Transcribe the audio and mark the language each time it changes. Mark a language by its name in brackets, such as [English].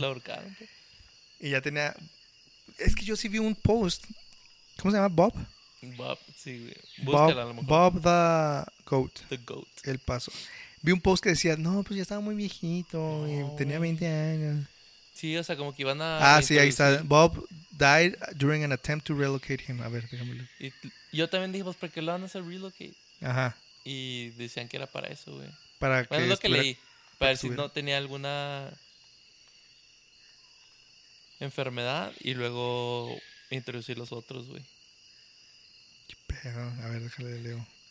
[Spanish] Lo ahorcaron, güey. Y ya tenía. Es que yo sí vi un post. ¿Cómo se llama? ¿Bob? Bob, sí, güey. Búscala, Bob, a lo mejor. Bob the Goat. The Goat. El paso. Vi un post que decía, no, pues ya estaba muy viejito. No. Y tenía 20 años. Sí, o sea, como que iban a... Ah, sí, ahí está. [English] Bob died during an attempt to relocate him. [Spanish] A ver, déjame leer. Y yo también dije, pues, ¿por qué lo van a hacer relocate? Ajá. Y decían que era para eso, güey. Para bueno, que... Bueno, es lo que leí. Para ver si no tenía alguna... enfermedad y luego introducir los otros, güey. Qué pedo. A ver, déjale, leo.